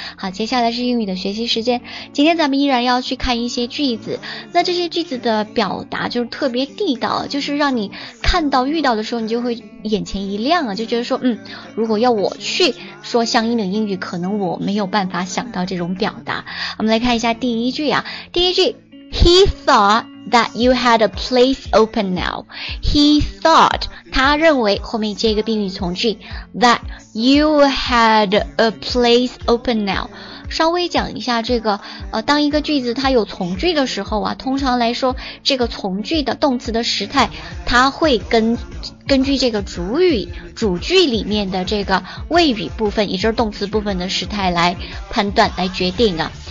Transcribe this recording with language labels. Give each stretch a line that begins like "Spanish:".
Chinese: 好，接下来是英语的学习时间，今天咱们依然要去看一些句子，那这些句子的表达就是特别地道，就是让你看到遇到的时候你就会眼前一亮啊，就觉得说如果要我去说相应的英语，可能我没有办法想到这种表达。我们来看一下第一句啊，第一句
English: He thought that you had a place open now. He thought,
Chinese: 他认为后面接一个宾语从句
English: that you had a place open now.
Chinese: 稍微讲一下这个当一个句子它有从句的时候啊，通常来说这个从句的动词的时态它会根据这个主句里面的这个谓语部分，也就是动词部分的时态来判断来决定啊。